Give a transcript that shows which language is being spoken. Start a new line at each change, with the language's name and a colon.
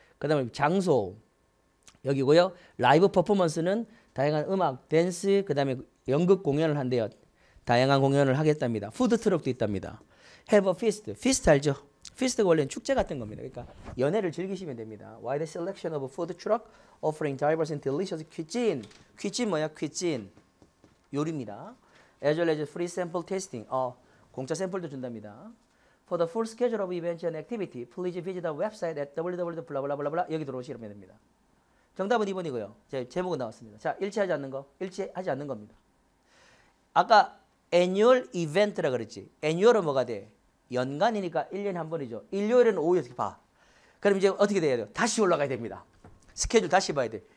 Korean: 그다음에 장소 여기고요. 라이브 퍼포먼스는 다양한 음악, 댄스, 그다음에 연극 공연을 한대요. 다양한 공연을 하겠답니다. 푸드 트럭도 있답니다.
English: Have a feast.
Korean: Feast 알죠? Feast가 원래는 축제 같은 겁니다. 그러니까 연회를 즐기시면 됩니다.
English: Why the selection of a food truck offering diverse and delicious cuisine?
Korean: Cuisine 뭐야? Cuisine. 요리입니다.
English: As well as free sample tasting.
Korean: 공짜 샘플도 준답니다.
English: For the full schedule of events and activity, please visit our website at www.blablabla.
Korean: 여기 들어오시면 됩니다. 정답은 2번이고요. 제목은 나왔습니다. 자, 일치하지 않는 겁니다. 아까 annual event라 그랬지. Annual은 뭐가 돼? 연간이니까 1년에 한 번이죠. 일요일은 오후 6시 봐. 그럼 이제 어떻게 돼야 돼요? 다시 올라가야 됩니다. 스케줄 다시 봐야 돼.